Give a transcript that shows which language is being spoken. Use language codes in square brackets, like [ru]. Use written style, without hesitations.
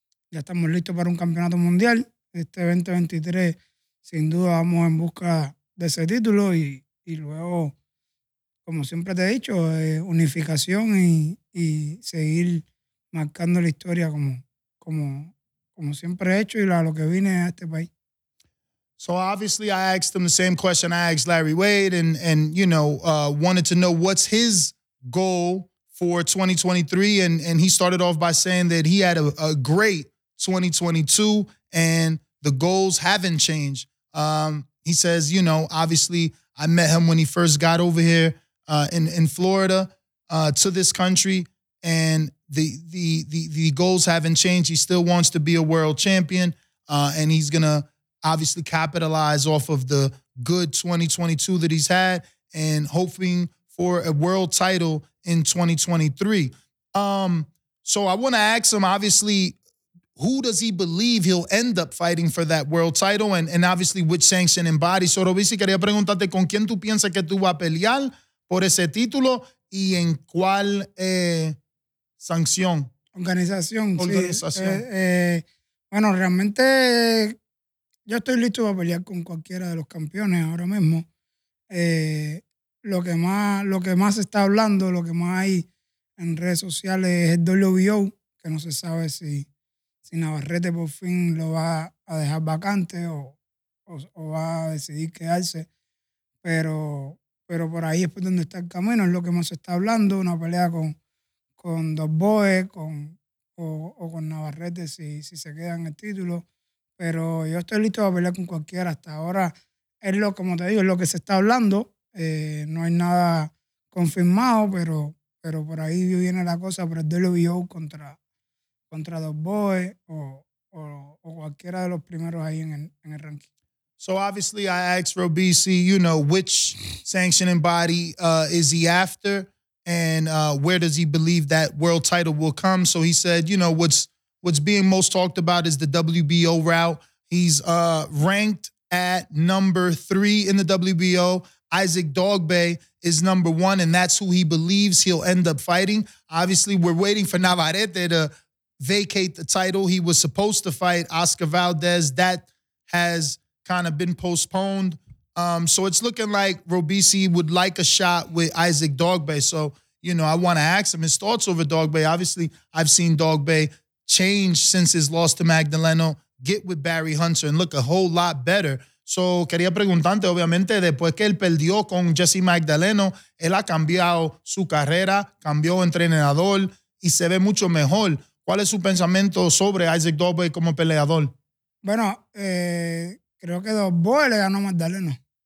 [es] Ya estamos listos para un campeonato mundial. Este 2023, sin duda, vamos en busca de ese título y luego, como siempre te he dicho, unificación y seguir marcando la historia como siempre he hecho y a lo que vine a este país. [en] So obviously I asked him the same question I asked Larry Wade and you know, wanted to know what's his goal for 2023. And he started off by saying that he had a great 2022 and the goals haven't changed. He says, you know, obviously I met him when he first got over here in Florida to this country, and the goals haven't changed. He still wants to be a world champion, and he's going to obviously capitalize off of the good 2022 that he's had and hoping for a world title in 2023. So I want to ask him, obviously, who does he believe he'll end up fighting for that world title and obviously which sanction and body? [es] So Robisi, quería preguntarte con quién tú piensas que tú vas a pelear por ese título y en cuál sanción. Organización. Bueno, realmente yo estoy listo para pelear con cualquiera de los campeones ahora mismo. Lo que más se está hablando, lo que más hay en redes sociales es el WBO, que no se sabe si Navarrete por fin lo va a dejar vacante o va a decidir quedarse. Pero por ahí es por donde está el camino, es lo que más se está hablando, una pelea con Dos Boes, con Navarrete si se queda en el título. Pero yo estoy listo para pelear con cualquiera. Hasta ahora es lo, como te digo, es lo que se está hablando. No hay nada confirmado, pero por ahí viene la cosa, pero el WBO contra Dos Boes o cualquiera de los primeros ahí en el ranking. [en] So obviously I asked Robisi, you know, which sanctioning body is he after and where does he believe that world title will come? So he said, you know, what's being most talked about is the WBO route. He's ranked at number 3 in the WBO. Isaac Dogbe is number 1, and that's who he believes he'll end up fighting. Obviously, we're waiting for Navarrete to vacate the title. He was supposed to fight Oscar Valdez. That has kind of been postponed. So it's looking like Robisi would like a shot with Isaac Dogbe. So, you know, I want to ask him his thoughts over Dogbe. Obviously, I've seen Dogbe change since his loss to Magdaleno, get with Barry Hunter, and look a whole lot better. [es] So, quería preguntarte, obviamente, después que él perdió con Jesse Magdaleno, él ha cambiado su carrera, cambió entrenador, y se ve mucho mejor. ¿Cuál es su pensamiento sobre Isaac Dogbe como peleador? Bueno, creo que Dos Boes le ganó a Magdaleno.